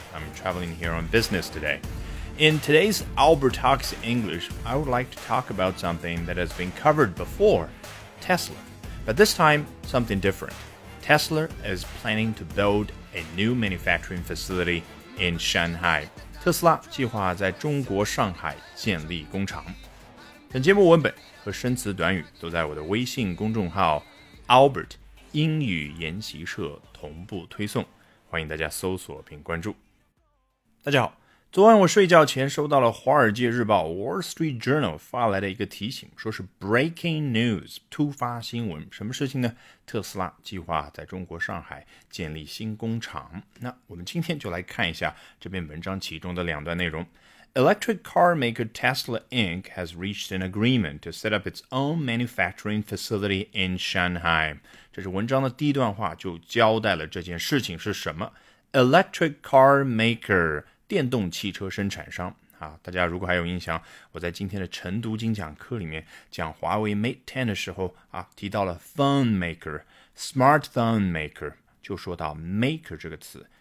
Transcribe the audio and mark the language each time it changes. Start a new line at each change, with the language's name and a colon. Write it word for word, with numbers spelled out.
English: I'm traveling here on business today. In today's Albert Talks English, I would like to talk about something that has been covered before, Tesla. But this time, something different. Tesla is planning to build a new manufacturing facility in Shanghai.
Chinese: Tesla 计划在中国上海建立工厂。本节目文本和生词短语都在我的微信公众号 Albert 英语研习社同步推送，欢迎大家搜索并关注。大家好，昨晚我睡觉前收到了《华尔街日报》Wall Street Journal 发来的一个提醒，说是 breaking news 突发新闻。什么事情呢？特斯拉计划在中国上海建立新工厂。那我们今天就来看一下这篇文章其中的两段内容。
English: Electric car maker Tesla Incorporated has reached an agreement to set up its own manufacturing facility in Shanghai.
Chinese: 这是文章的第一段话，就交代了这件事情是什么。
English: Electric car maker，
Chinese: 电动汽车生产商。啊，大家如果还有印象，我在今天的晨读精讲课里面讲华为 Mate ten 的时候啊，提到了
English: phone maker, smartphone maker，
Chinese: 就说到 maker 这个词。